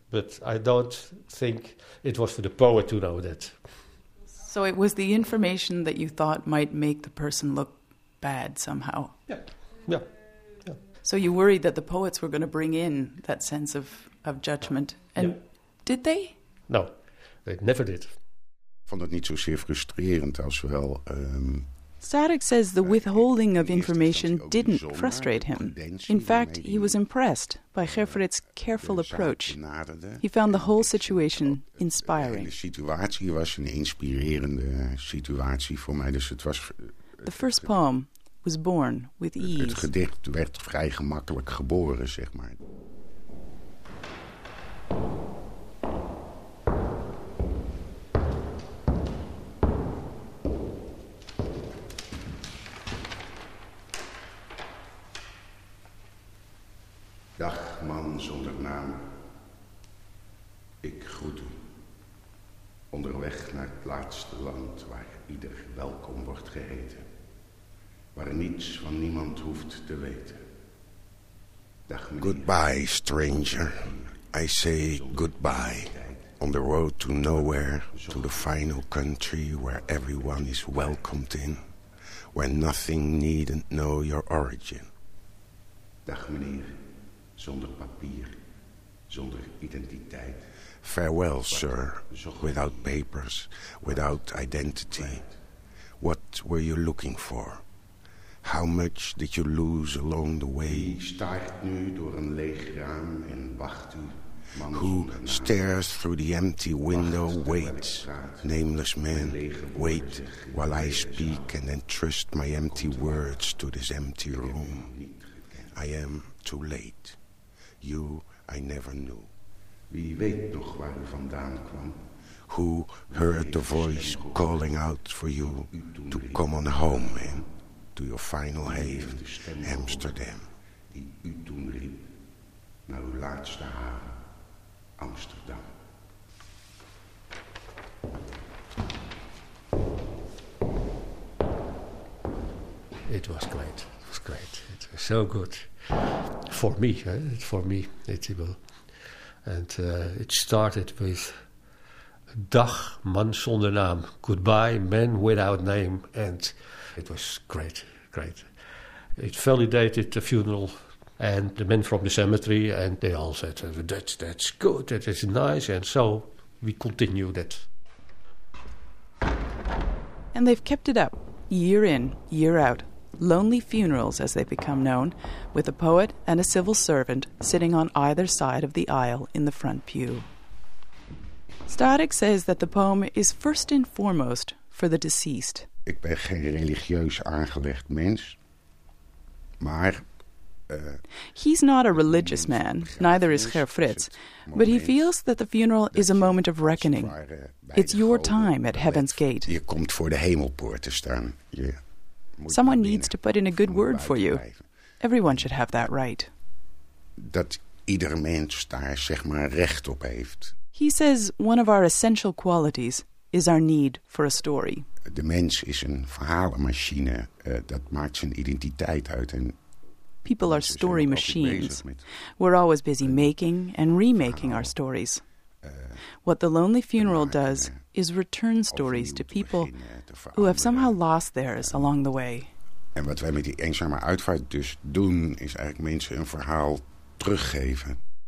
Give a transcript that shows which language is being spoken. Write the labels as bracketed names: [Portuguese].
[English] But I don't think it was for the poet to know that. So it was the information that you thought might make the person look bad somehow? Yeah. So you worried that the poets were going to bring in that sense of judgment. And did they? No, they never did. [Dutch] Ik vond het niet zozeer frustrerend als wel... [English] Static says the withholding of information didn't frustrate him. In fact, he was impressed by Gerfrit's careful approach. He found the whole situation inspiring. [Dutch] De situatie was een inspirerende situatie voor mij. Dus het was. [English] The first poem was born with ease. [Dutch] Het gedicht werd vrij gemakkelijk geboren, zeg maar. Dag, man zonder naam. Ik groet u. Onderweg naar het laatste land waar ieder welkom wordt geheten. Waar niets van niemand hoeft te weten. Dag, meneer. [English] Goodbye, stranger. I say goodbye. On the road to nowhere, to the final country where everyone is welcomed in. Where nothing needn't know your origin. [Dutch] Dag, meneer. Zonder papier, zonder identiteit. [English] Farewell, sir, without papers, without identity. What were you looking for? How much did you lose along the way? [Dutch] Wie staart nu door een leeg raam en wacht u? [English] Who stares through the empty window, waits, nameless man, wait while I speak and entrust my empty words to this empty room. I am too late. You, I never knew. [Dutch] Wie weet nog waar u vandaan kwam? [English] Who heard the voice calling out for you to come on home, man, to your final haven, Amsterdam? [Dutch] Die u toen riep naar uw laatste haven, Amsterdam. [English] It was great. It was great. It was so good. For me, it's evil. And it started with [Dutch] Dag, man zonder naam. [English] Goodbye, man without name. And it was great, great. It validated the funeral and the men from the cemetery, and they all said, that's good, that is nice. And so we continued it. And they've kept it up, year in, year out. Lonely funerals, as they become known, with a poet and a civil servant sitting on either side of the aisle in the front pew. Static says that the poem is first and foremost for the deceased. [Dutch] Ik ben geen religieus aangelegd mens, maar... [English] He's not a religious man, neither is Ger Fritz, but he feels that the funeral is a moment of reckoning. It's your time at Heaven's Gate. [Dutch] Je komt voor de hemelpoort te staan, ja. [English] Someone needs to put in a good word for you. Everyone should have that right. [Dutch] Dat ieder mens daar zeg maar recht op heeft. [English] He says one of our essential qualities is our need for a story. [Dutch] De mens is een verhalenmachine. Dat maakt zijn identiteit uit. En [English] people are story machines. We're always busy making and remaking our stories. What the Lonely Funeral does is return stories to people who have somehow lost theirs along the way. [Dutch] En wat wij met die eenzame uitvaart dus doen, is eigenlijk mensen een verhaal teruggeven.